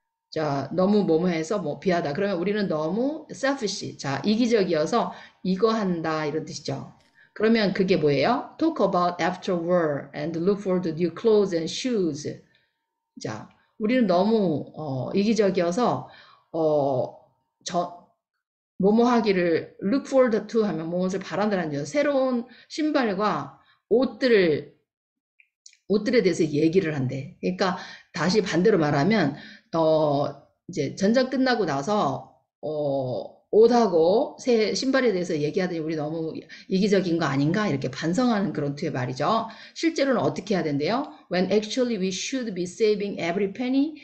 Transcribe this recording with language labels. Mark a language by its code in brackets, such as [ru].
[ko] 자, 너무 뭐뭐해서 뭐 비하다. 그러면 우리는 너무 selfish. 자, 이기적이어서 이거 한다 이런 뜻이죠. 그러면 그게 뭐예요? [en] Talk about after war and look for the new clothes and shoes. [ko] 자, 우리는 너무 이기적이어서 뭐뭐하기를 [en] look forward to [ko] 하면 무엇을 바란다는 거죠. 새로운 신발과 옷들에 대해서 얘기를 한대. 그러니까 다시 반대로 말하면 이제 전쟁 끝나고 나서 옷하고 새 신발에 대해서 얘기하더니 우리 너무 이기적인 거 아닌가 이렇게 반성하는 그런 투의 말이죠. 실제로는 어떻게 해야 된대요? [en] When actually we should be saving every penny.